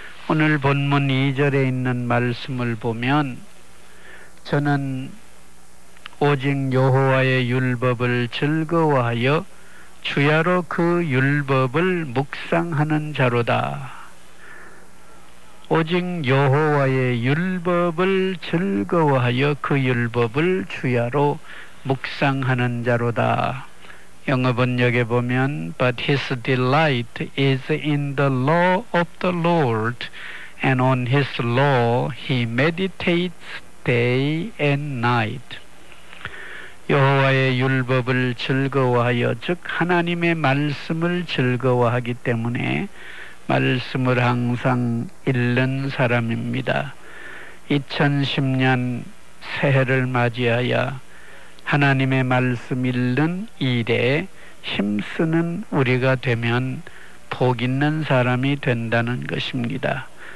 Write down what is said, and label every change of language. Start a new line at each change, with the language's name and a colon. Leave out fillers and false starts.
Korean: 오늘 본문 2절에 있는 말씀을 보면 저는 오직 여호와의 율법을 즐거워하여 주야로 그 율법을 묵상하는 자로다. 오직 여호와의 율법을 즐거워하여 그 율법을 주야로 묵상하는 자로다. 영어 번역에 보면
English: But his delight is in the law of the Lord, and on his law he meditates day and night.
Korean: 여호와의 율법을 즐거워하여 즉 하나님의 말씀을 즐거워하기 때문에 말씀을 항상 읽는 사람입니다. 2010년 새해를 맞이하여 하나님의 말씀 읽는 일에 힘쓰는 우리가 되면 복 있는 사람이 된다는 것입니다.